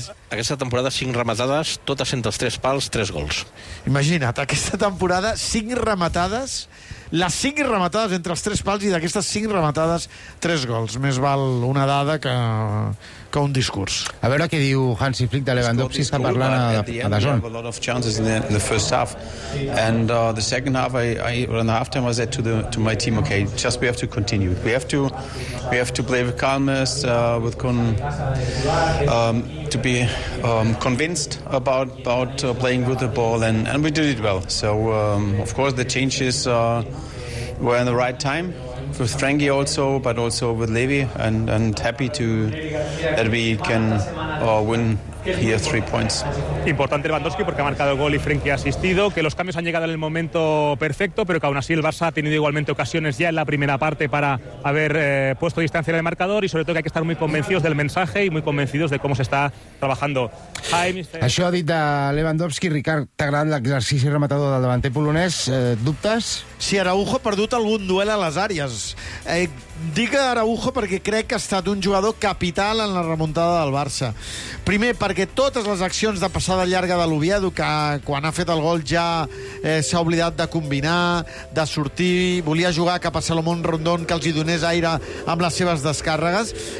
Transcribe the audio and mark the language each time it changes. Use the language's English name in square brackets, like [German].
[Catalan] Aquesta temporada, 5 rematades, totes entre els 3 pals, 3 gols. Imagina't, aquesta temporada, 5 rematades, les 5 rematades entre els 3 pals i d'aquestes 5 rematades, 3 gols. Més val una dada que un discurs. A veure què diu Hansi Flick de Lewandowski, està parlant a la zona. [English] A lot of chances in the first half. And the second half, in the halftime, I said to my team, okay, just we have to continue. We have to play with calmness, to be convinced about playing with the ball, and we did it well. So of course the changes were in the right time with Frankie also, but also with Levy, and happy to that we can win here 3 points. [Spanish] Importante Lewandowski porque ha marcado el gol y Frenkie ha asistido, que los cambios han llegado en el momento perfecto, pero que aún así el Barça ha tenido igualmente ocasiones ya en la primera parte para haber puesto distancia en el marcador, y sobre todo que hay que estar muy convencidos del mensaje y muy convencidos de cómo se está trabajando. [English] Hi, Mister. [Catalan] Això ha dit de Lewandowski. Ricard, t'ha agradat l'exercici rematador del davanter polonès? Dubtes? Si Araujo ha perdut algun duel a les àrees. Dic Araujo perquè crec que ha estat un jugador capital en la remuntada del Barça. Primer, per perquè totes les accions de passada llarga de l'Oviedo, que quan ha fet el gol ja s'ha oblidat de combinar, de sortir, volia jugar cap a Salomón Rondón, que els hi donés aire amb les seves descàrregues.